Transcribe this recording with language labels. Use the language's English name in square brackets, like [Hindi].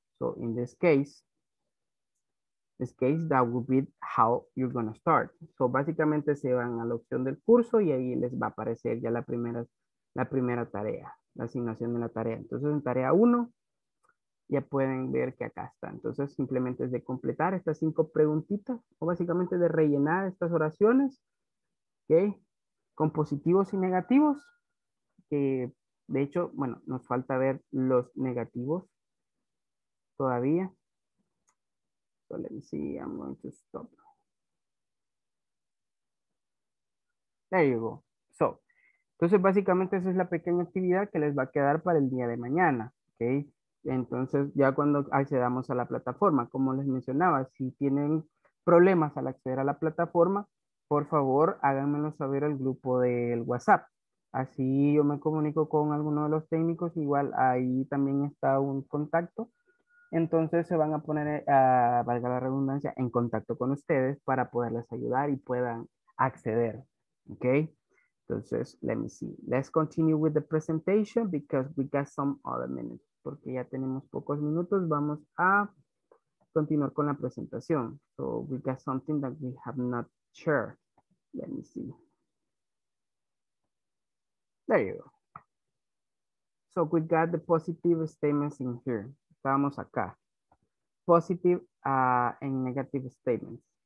[English] So, in this case, that would be how you're going to start. [Spanish] So, básicamente se van a la opción del curso y ahí les va a aparecer ya la primera tarea, la asignación de la tarea. Entonces, en tarea 1, ya pueden ver que acá está. Entonces, simplemente es de completar estas 5 preguntitas o básicamente de rellenar estas oraciones, ¿ok? Con positivos y negativos. Que de hecho, bueno, nos falta ver los negativos todavía. [English] So let me see, I'm going to stop. There you go. [Spanish] So, entonces básicamente esa es la pequeña actividad que les va a quedar para el día de mañana, ¿ok? Entonces ya cuando accedamos a la plataforma, como les mencionaba, si tienen problemas al acceder a la plataforma, por favor háganmelo saber al grupo del WhatsApp. Así yo me comunico con alguno de los técnicos, igual ahí también está un contacto. Entonces se van a poner, valga la redundancia, en contacto con ustedes para poderles ayudar y puedan acceder. [English] Ok, entonces, let me see. Let's continue with the presentation because we got some other minutes. [Spanish] Porque ya tenemos pocos minutos, vamos a continuar con la presentación. [English] So we got something that we have not shared. Let me see. There you go. So we got the positive statements in here. [Spanish] Estamos acá. [English] Positive and negative statements.